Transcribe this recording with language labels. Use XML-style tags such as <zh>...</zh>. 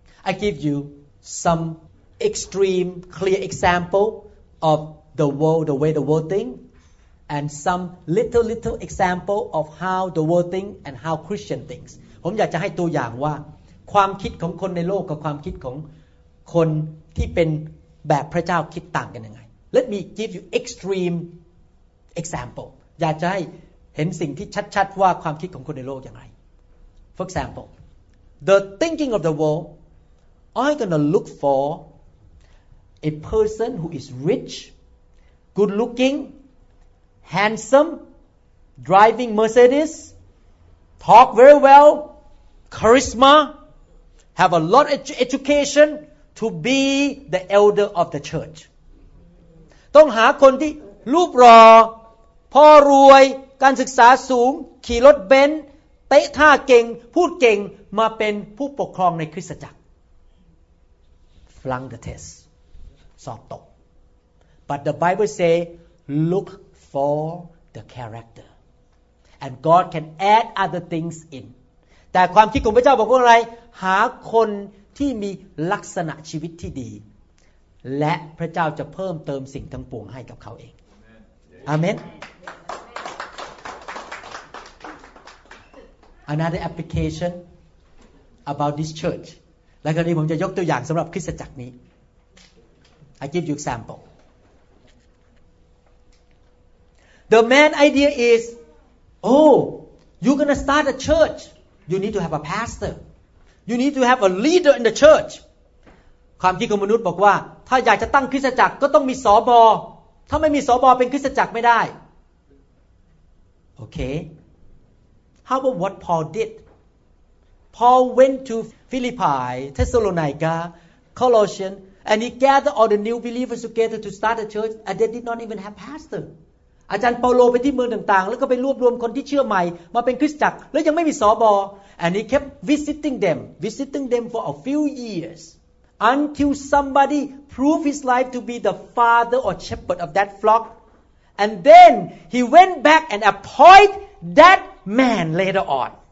<en>I give you someextreme clear example of the world the way the world think and some little example of how the world think and how Christian thinks</en> <th>ผมอยากจะให้ตัวอย่างว่าความคิดของคนในโลกกับความคิดของคน ที่เป็นแบบพระเจ้าคิดต่างกันยังไง</th> <en>Let me give you extreme example</en> <th>อยากจะให้เห็นสิ่งที่ชัดๆว่าความคิดของคนในโลกอย่างไร</th> <en>For example The thinking of the world I'm gonna look for a person who is rich good looking handsome driving Mercedes talk very well charismaHave a lot of education to be the elder of the church.</en> <th>ต้องหาคนที่รูปหล่อพ่อรวยการศึกษาสูงขี่รถเบนซ์เตะท่าเก่งพูดเก่งมาเป็นผู้ปกครองในคริสตจักร</th> <en>Flunk the test.</en> <th>สอบตก</th> <en>But the Bible say, look for the character. And God can add other things in.</en> <th>แต่ความคิดของพระเจ้าบอกว่าอะไรหาคนที่มีลักษณะชีวิตที่ดีและพระเจ้าจะเพิ่มเติมสิ่งทั้งปวงให้กับเขาเองอาเมน</th> <en>Another application about this church</en> <th>และคราวนี้ผมจะยกตัวอย่างสำหรับคริสตจักรนี้</th> <en>I give you example The main idea is Oh, you're gonna start a churchYou need to have a pastor. You need to have a leader in the church.</en> <th>ความคิดของมนุษย์บอกว่าถ้าอยากจะตั้งคริสตจักรก็ต้องมีสบถ้าไม่มีสบเป็นคริสตจักรไม่ได้ Okay.</th> <en>How about what Paul did? Paul went to Philippi, Thessalonica, Colossians, and he gathered all the new believers together to start a church, and they did not even have pastor.</en> <th>อาจารย์เปาโลไปที่เมืองต่างๆแล้วก็ไปรวบรวมคนที่เชื่อใหม่มาเป็นคริสตจักรแล้วยังไม่มีสบอ</th> <en>and he kept visiting them for a few years until somebody proved his life to be the father or shepherd of that flock and then he went back and appoint that man later on</en>